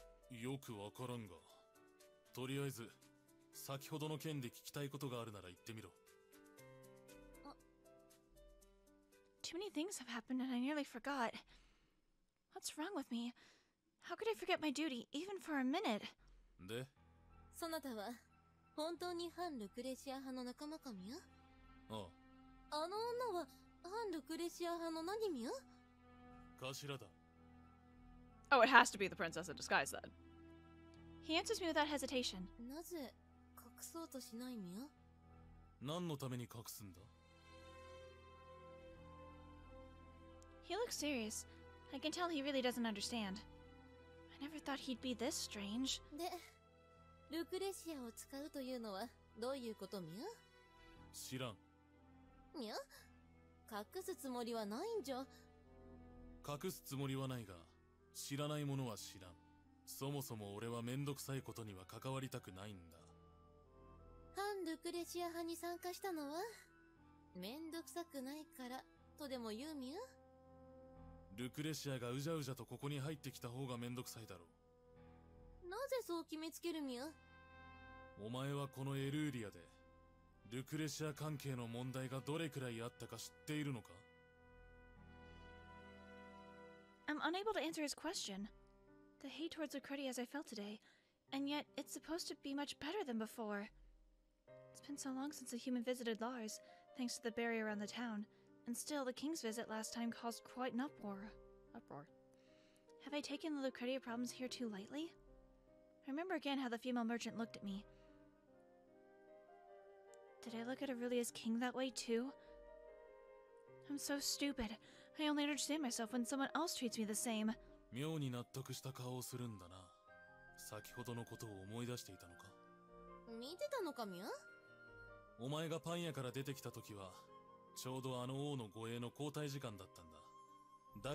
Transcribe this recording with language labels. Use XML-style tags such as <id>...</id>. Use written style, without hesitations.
<ja>よくわからんが、とりあえず先ほどの件で聞きたいことがあるなら言ってみろ。</ja> <en>Too many things have happened and I nearly forgot. What's wrong with me? How could I forget my duty, even for a minute?</en> <ja>で、そなたは本当に反ルクレシア派の仲間かみよ。あの女は反ルクレシア派の何ミュ？頭だ。</ja> <en>Oh, it has to be the princess in disguise then. He answers me without hesitation.</en> <ja>なぜ隠そうとしないミュ？何のために隠すんだ？</ja> <en>He looks serious. I can tell he really doesn't understand. I never thought he'd be this strange.</en> <ja>で、ルクレシアを使うというのはどういうことミュ？知らん。にゃ、隠すつもりはないんじゃ。隠すつもりはないが、知らないものは知らん。そもそも俺は面倒くさいことには関わりたくないんだ。反ルクレシア派に参加したのは面倒くさくないからとでも言うミュ。ルクレシアがうじゃうじゃとここに入ってきた方が面倒くさいだろう。なぜそう決めつけるミュ。お前はこのエルーリアでルクレシア関係の問題がどれくらいあったか知っているのか？</ja> <en>I'm unable to answer his question. The hate towards Lucretia as I felt today, and yet it's supposed to be much better than before. It's been so long since a human visited Lars, thanks to the barrier around the town, and still the king's visit last time caused quite an uproar. Have I taken the Lucretia problems here too lightly? I remember again how the female merchant looked at me. Did I look at Aurelia's king that way too? I'm so stupid. I only understand myself when someone else treats me the same.</en> <ja>妙に納得した顔をするんだな。先ほどのことを思い出していたのか。見てたのかミュ？お前がパン屋から出てきた時は、ちょうどあの王の護衛の交代時間だったんだ。</ja>